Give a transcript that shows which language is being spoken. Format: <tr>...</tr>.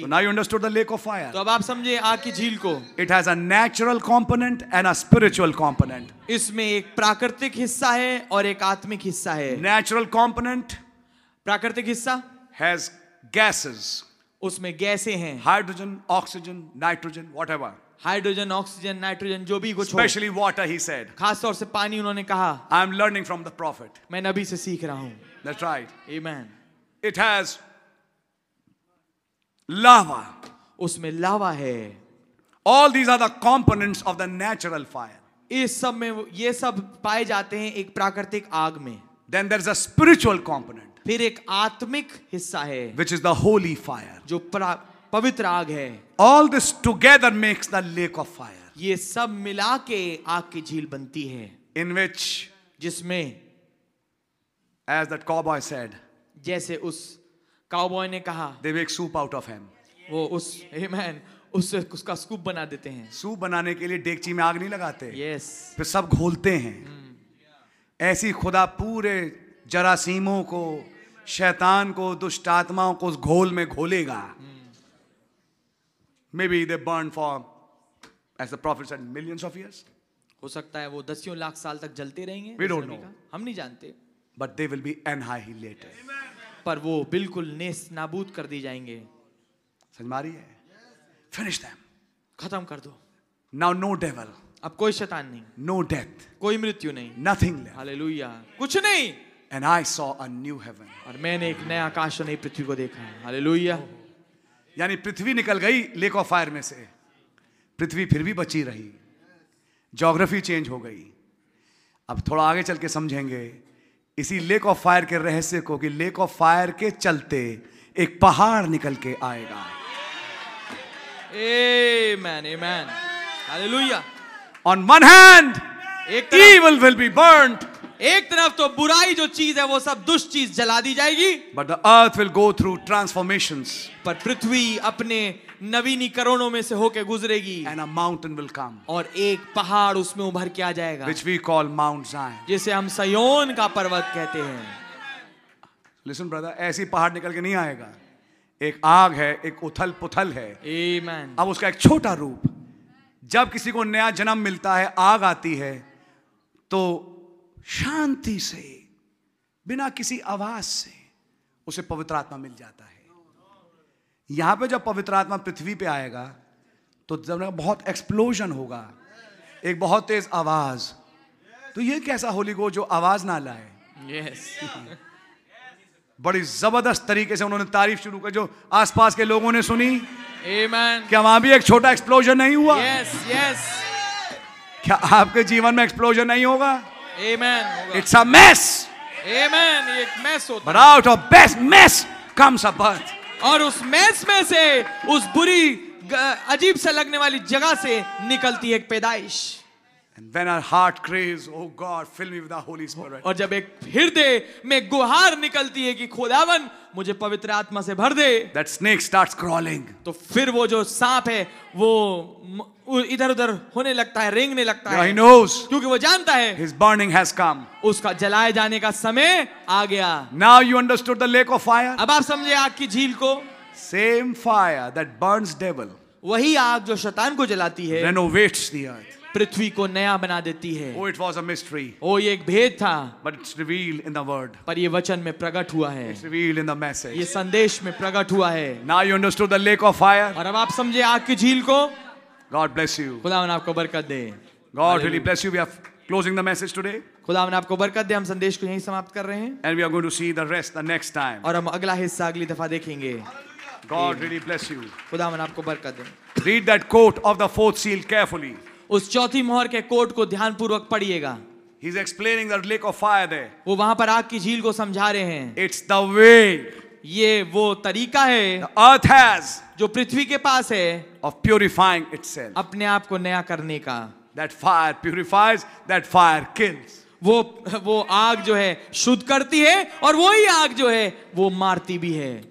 <en>So now you understood the lake of fire.</en> <hi>तो अब आप समझे आग की झील को.</hi> <en>It has a natural component and a spiritual component.</en> <hi>इसमें एक प्राकृतिक हिस्सा है और एक आत्मिक हिस्सा है.</hi> <en>Natural component,</en> <hi>प्राकृतिक हिस्सा,</hi> <en>has gases.</en> <hi>उसमें गैसें हैं.</hi> <en>Hydrogen, oxygen, nitrogen, whatever.</en> <hi>Hydrogen, oxygen, nitrogen, जो भी कुछ.</hi> <en>Especially water, he said.</en> <hi>खासतौर से पानी उन्होंने कहा.</hi> <en>I am learning from the prophet.</en> <hi>मैं नबी से सीख रहा हूँ.</hi> <en>That's right. Amen. It has lava.</en> <hi>उसमें लावा है.</hi> <en>All these are the components of the natural fire.</en> <hi>इस सब में ये सब पाए जाते हैं एक प्राकृतिक आग में.</hi> <en>Then there's a spiritual component.</en> <hi>फिर एक आत्मिक हिस्सा है.</hi> <en>Which is the holy fire.</en> <hi>जो पवित्र आग है.</hi> <en>All this together makes the lake of fire.</en> <hi>ये सब मिला के आग की झील बनती है.</hi> <en>In which,</en> <hi>जिसमें,</hi> <en>as that cowboy said,</en> <hi>जैसे उस काउबॉय ने कहा,</hi> <en>they make soup out of him.</en> <hi>वो उस, amen, उस उसका स्कूप बना देते हैं. सूप बनाने के लिए डेगची में आग नहीं लगाते.</hi> <en>Yes.</en> <hi>फिर सब घोलते हैं. ऐसी खुदा पूरे जरासीमों को, शैतान को, दुष्ट आत्माओं को उस घोल में घोलेगा.</hi> <en>Maybe they burned for, as the prophet said, millions of years.</en> <hi>हो सकता है वो दसियों लाख साल तक जलते रहेंगे.</hi> <en>We don't know.</en> <hi>हम नहीं जानते.</hi> <en>But they will be annihilated.</en> <hi>पर वो बिल्कुल नेस नाबूद कर दी जाएंगे. समझ मारी है?</hi> <en>Finish them.</en> <hi>खत्म कर दो.</hi> <en>Now no devil.</en> <hi>अब कोई शैतान नहीं.</hi> <en>No death.</en> <hi>कोई मृत्यु नहीं.</hi> <en>Nothing left.</en> <hi>Hallelujah. कुछ नहीं.</hi> <en>And I saw a new heaven.</en> <hi>और मैंने एक नया आकाश और नई पृथ्वी को देखा.</hi> <en>Hallelujah.</en> <hi>यानी पृथ्वी निकल गई लेक ऑफ फायर में से, पृथ्वी फिर भी बची रही. ज्योग्राफी चेंज हो गई. अब थोड़ा आगे चल के समझेंगे इसी लेक ऑफ फायर के रहस्य को, कि लेक ऑफ फायर के चलते एक पहाड़ निकल के आएगा.</hi> <en>Amen, amen. Hallelujah. On one hand, evil will be burnt.</en> <hi>एक तरफ तो बुराई जो चीज है वो सब दुष्ट चीज जला दी जाएगी.</hi> <en>But the earth will go through transformations.</en> <hi>पर पृथ्वी अपने नवीनीकरणों में से होके गुजरेगी.</hi> <en>And a mountain will come.</en> <hi>और एक पहाड़ उसमें उभर के आ जाएगा.</hi> <en>Which we call Mount Zion.</en> <hi>जिसे हम सयोन का पर्वत कहते हैं.</hi> <en>Listen brother,</en> <hi>ऐसी पहाड़ निकल के नहीं आएगा. एक आग है, एक उथल पुथल है. Amen. अब उसका एक छोटा रूप. जब किसी को नया जन्म मिलता है, आग आती है, तो शांति से, बिना किसी आवाज से, उसे पवित्र आत्मा मिल जाता है. यहां पे जब पवित्र आत्मा पृथ्वी पे आएगा, तो जब बहुत एक्सप्लोजन होगा, एक बहुत तेज आवाज. तो ये कैसा होली गो जो आवाज ना लाए.</hi> <en>Yes.</en> <hi>बड़ी जबरदस्त तरीके से उन्होंने तारीफ शुरू की जो आसपास के लोगों ने सुनी.</hi> <en>Amen.</en> <hi>क्या वहां भी एक छोटा एक्सप्लोजन नहीं हुआ?</hi> <en>Yes, yes.</en> <hi>क्या आपके जीवन में एक्सप्लोजन नहीं होगा?</hi> <en>Amen. It's a mess.</en> <hi>Amen. एक मेस होता.</hi> <en>But out of best mess comes a birth.</en> <hi>और उस मेस में से, उस बुरी अजीब से लगने वाली जगह से निकलती एक पैदाइश.</hi> <en>When our heart craves, oh God, fill me with the Holy Spirit.</en> <hi>और जब एक हृदय में गुहार निकलती है कि खुदावन मुझे पवित्र आत्मा से भर दे.</hi> <en>That snake starts crawling.</en> <hi>तो फिर वो जो सांप है वो इधर उधर होने लगता है, रेंगने लगता</hi> <en>है. He knows.</en> <hi>क्योंकि वो जानता है.</hi> <en>His burning has come.</en> <hi>उसका जलाए जाने का समय आ गया.</hi> <en>Now you understood the lake of fire.</en> <hi>अब आप समझे आग की झील को.</hi> <en>Same fire that burns devil.</en> <hi>वही आग जो शैतान को जलाती है.</hi> <en>Renovates the earth.</en> <hi>पृथ्वी को नया बना देती है.</hi> <en>Oh, it was a mystery.</en> <hi>Oh, ये एक भेद था.</hi> <en>But it's revealed in the word.</en> <hi>पर ये वचन में प्रकट हुआ है.</hi> <en>It's revealed in the message.</en> <hi>ये संदेश में प्रकट हुआ है.</hi> <en>Now you understood the lake of fire.</en> <hi>और अब आप समझे आग की झील को.</hi> <en>God bless you.</en> <hi>खुदावन आपको बरकत दे.</hi> <en>God really bless you. We are closing the message today.</en> <hi>खुदावन आपको बरकत दे. हम संदेश को यहीं समाप्त कर रहे हैं.</hi> <en>And we are going to see the rest the next time.</en> <hi>और हम अगला हिस्सा अगली दफा देखेंगे.</hi> <en>God really bless you.</en> <hi>खुदावन आपको बरकत दे.</hi> <en>Read that coat of the fourth seal carefully.</en> <hi>उस चौथी मोहर के कोट को ध्यानपूर्वक पढ़िएगा.</hi> <en>He is explaining the lake of fire there.</en> <hi>वो वहाँ पर आग की झील को समझा रहे हैं.</hi> <en>It's the way.</en> <hi>ये वो तरीका है.</hi> <en>The earth has.</en> <hi>जो पृथ्वी के पास है.</hi> <en>Of purifying itself.</en> <hi>अपने आप को नया करने का.</hi> <en>That fire purifies. That fire kills.</en> <hi>वो आग जो है शुद्ध करती है और वो ही आग जो है वो मारती भी है.</hi>